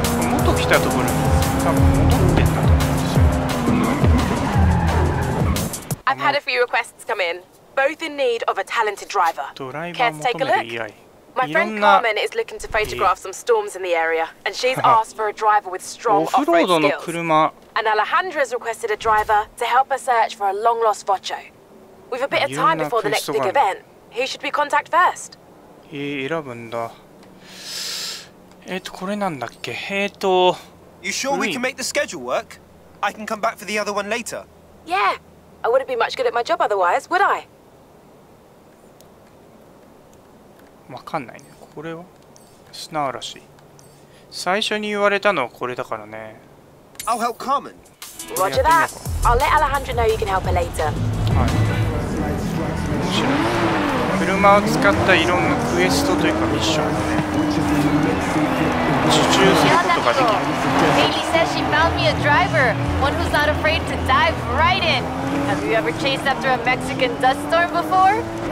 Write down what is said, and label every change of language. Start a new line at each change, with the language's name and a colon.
Japanese: 元来たところに多分戻ってんだと思うんですよ。
English: I've had a few requests come in, both in need of a talented driver.
Japanese: ドライバー求める AI。
English: My friend Carmen is looking to photograph some storms in the area, and she's asked for a driver with strong off-road skills. And Alejandra has requested a driver to help her search for a long-lost Vocho. We've a bit of time before the next big event. Who should we contact first?
Japanese: 選ぶんだ。これなんだっけ？
English: You sure we can make the schedule work? I can come back for the other one later. Yeah, I wouldn't be much good at my job otherwise, would I?
Japanese: わかんないね。これは砂嵐。最初に言われたのはこれだからね。
English: I'll help Carmen. Roger that. I'll let Alejandra know you can help her later.
Japanese: はい。車を使ったいろんなクエストというかミッションをね、受注することができる。
English: Haley says she found me a driver, one who's not afraid to dive right in. Have you ever chased after a Mexican dust storm before?